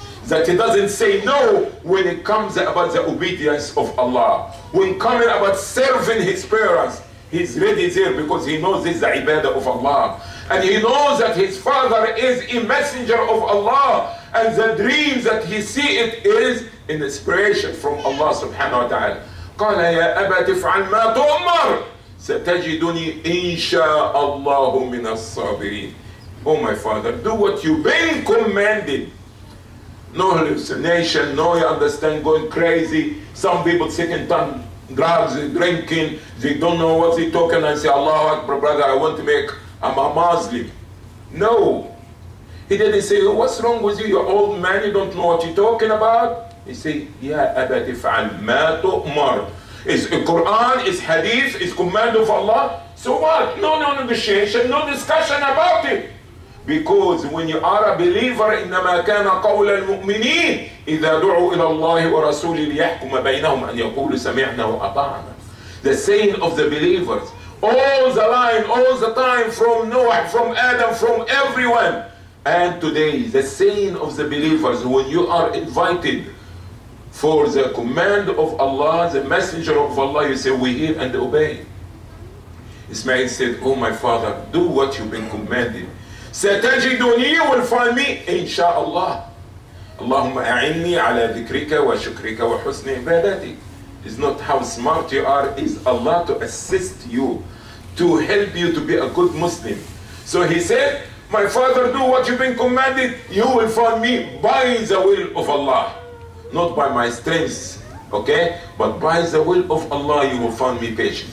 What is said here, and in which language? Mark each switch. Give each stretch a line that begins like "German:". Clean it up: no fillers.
English: That he doesn't say no when it comes about the obedience of Allah. When coming about serving his parents, he's ready there because he knows this is the ibadah of Allah. And he knows that his father is a messenger of Allah. And the dream that he see it is an inspiration from Allah subhanahu wa ta'ala.
Arabic: قَالَ يَا أَبَتِ فَعَلْ مَا تُؤْمَرْ سَتَجِدُنِي إِنْشَاءَ اللَّهُ مِنَ الصَّابِرِينَ.
English: Oh my father, do what you've been commanded. No hallucination, no, you understand, going crazy. Some people sitting on drugs, drinking, they don't know what they're talking. I say, Allah Akbar, brother, I want to make, I'm a Muslim. No. He didn't say, what's wrong with you? You're old man, you don't know what you're talking about. He say,
Arabic: ya abati fa'al ma tu'mar.
English: It's a Quran, it's hadith, it's command of Allah. So what? No negotiation, no discussion about it. Because when you are a believer,
Arabic: إِنَّمَا كَانَ قَوْلَ الْمُؤْمِنِينَ إِذَا دُعُوا إِلَى اللَّهِ وَرَسُولِ لِيَحْكُمَ بَيْنَهُمْ أَنْ يَقُولُ سَمِعْنَا وَأَطَعْنَا.
English: The saying of the believers, all the line, all the time, from Noah, from Adam, from everyone. And today, the saying of the believers, when you are invited for the command of Allah, the messenger of Allah, you say, we hear and obey. Ismail said, oh my father, do what you've been commanded.
Arabic: ستجدني والفاني إن شاء الله. اللهم أعني على ذكرك وشكرك وحسن عبادتك.
English: It's not how smart you are, it's Allah to assist you, to help you to be a good Muslim. So he said, my father, do what you've been commanded, you will find me by the will of Allah. Not by my strengths, okay? But by the will of Allah, you will find me patient.